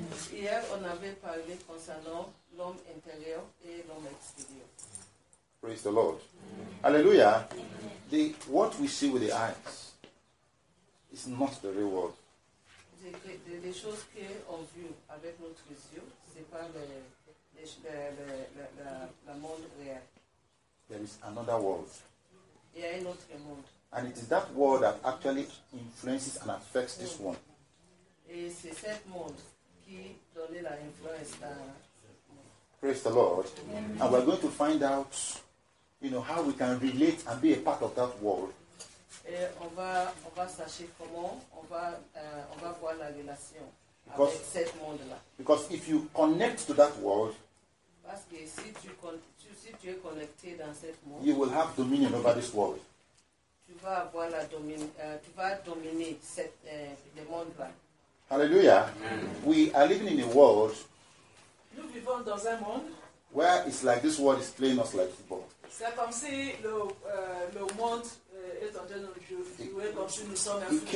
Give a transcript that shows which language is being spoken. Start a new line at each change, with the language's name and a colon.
French: Hier, on avait parlé concernant l'homme intérieur et l'homme extérieur.
English: Praise the Lord. Hallelujah. The what we see with the eyes is not the real world.
French: Les choses qu'on voit avec notre yeux, c'est pas le monde réel.
English: There is another world.
French: Il y a un autre monde.
English: And it is that world that actually influences and affects this one.
French: Et c'est cet monde qui donne la influence à.
English: Praise the Lord. Amen. And we're going to find out, you know, how we can relate and be a part of that world.
French: Et on va chercher comment on va voir la relation avec cet monde là.
English: Because if you connect to that world,
French: parce que si tu es connecté dans cet monde,
English: you will have dominion over this world.
French: Tu vas dominer le monde là.
English: Hallelujah. Amen. We are living in a world.
French: Nous vivons dans un monde.
English: Where it's like this world is playing us like football.
French: C'est comme si le monde est en train de jouer comme si nous sommes un football.